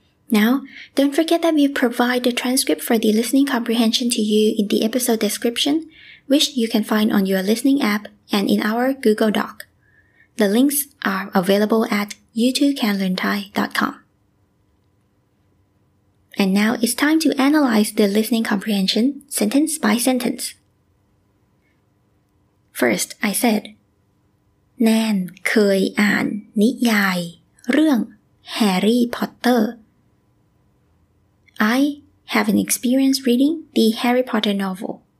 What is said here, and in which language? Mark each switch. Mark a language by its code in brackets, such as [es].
[en] Now, don't forget that we provide the transcript for the listening comprehension to you in the episode description, which you can find on your listening app and in our Google Doc. The links are available at youtoocanlearnthai.com. And now it's time to analyze the listening comprehension sentence by sentence. First, I said, Nan [th] เคยอ่านนิยายเรื่อง Harry Potter. [en] I have an experience reading the Harry Potter novel.